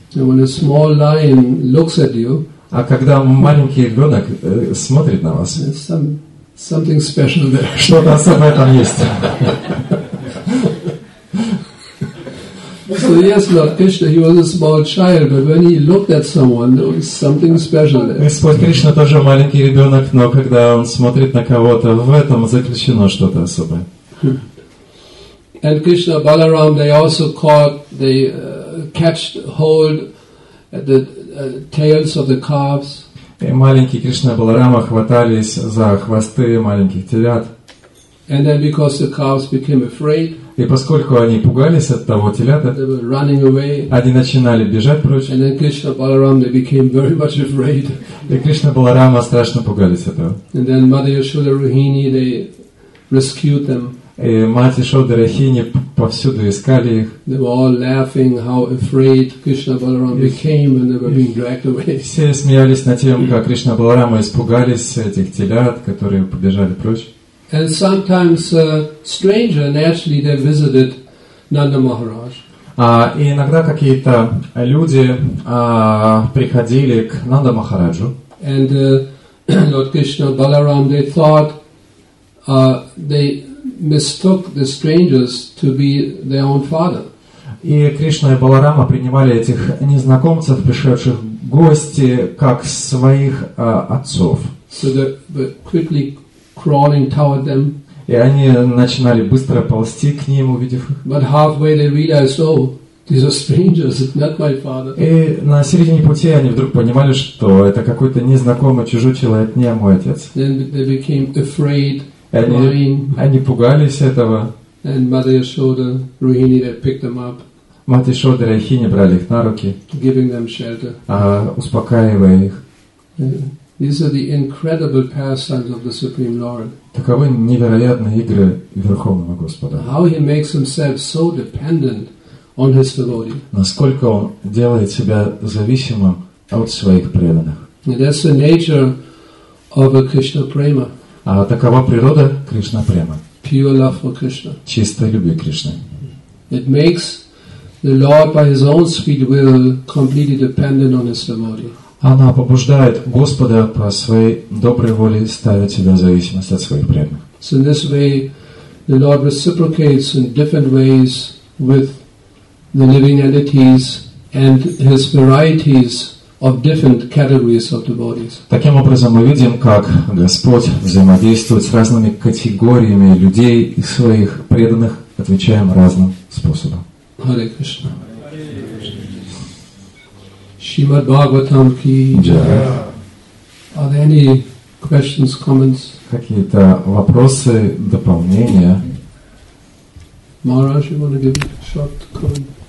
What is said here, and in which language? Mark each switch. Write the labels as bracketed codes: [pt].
[en] And when a small lion looks at you, [ru] а когда маленький ребенок смотрит на вас, [en] something special there. [ru] Что-то особое там есть. [en] So yes, Lord Krishna, he was a small child, but when he looked at someone, there was something special there. [ru] Господь Кришна тоже маленький ребенок, но когда он смотрит на кого-то, в этом заключено что-то особое. [en] And Krishna Balaram, they also caught, they catched hold at the tails of the calves. [ru] И маленькие Кришна и Баларама хватались за хвосты маленьких телят. [en] And then because the calves became afraid. [ru] И поскольку они пугались от того телята, [en] they were running away. [ru] Они начинали бежать прочь. [en] And then Krishna Balaram, they became very much afraid. [ru] И Кришна Баларама страшно пугались этого. [en] And then Mother Yashoda Rohini, they rescued them. [ru] И мать Ишода Рахини повсюду искали их. [en] They were all laughing how afraid Krishna Balaram became when they were being dragged away. [ru] Все смеялись над тем, как Кришна Баларама испугались этих телят, которые побежали прочь. [en] And sometimes stranger naturally they visited Nanda Maharaj. [ru] И иногда какие-то люди приходили к Нанда Махараджу. [en] And Lord Krishna Balaram, they thought they mistook the strangers to be their own father. [ru] И Кришна и Баларама принимали этих незнакомцев, пришедших в гости, как своих отцов. [en] So they were quickly crawling toward them. [ru] И они начинали быстро ползти к ним, увидев их. [en] But halfway they realized, oh, these are strangers, not my father. [ru] И на середине пути они вдруг понимали, что это какой-то незнакомый чужой человек, не мой отец. [en] Then they became afraid. [ru] Они пугались этого. [en] And Mother Yashoda, Rohini, they picked them up. [ru] Мать Ишода и Рахини брали их на руки. [en] Giving them shelter. [ru] Успокаивая их. [en] These are the incredible pastimes of the Supreme Lord. [ru] Таковы невероятные игры Верховного Господа. [en] How he makes himself so dependent on his devotee. [ru] Насколько он делает себя зависимым от своих преданных. [en] And that's the nature of a Krishna prema. [ru] А такова природа Кришна према. [en] Pure love for Krishna. [ru] Чистая любовь к Кришне. [en] It makes the Lord by His own sweet will completely dependent on His devotee. [ru] Она побуждает Господа по своей доброй воле ставить себя в зависимость от своих преданных. [en] So in this way, the Lord reciprocates in different ways with the living entities and His varieties of different categories of devotees. [ru] Таким образом, мы видим, как Господь взаимодействует с разными категориями людей и своих преданных, отвечаем разным способом. [sa] Hare Krishna. [hi] Shrimad Bhagavatam ki jai. [en] Are there any questions, comments? [ru] Какие-то вопросы, дополнения? [en] Maharaj, you want to give a short comment?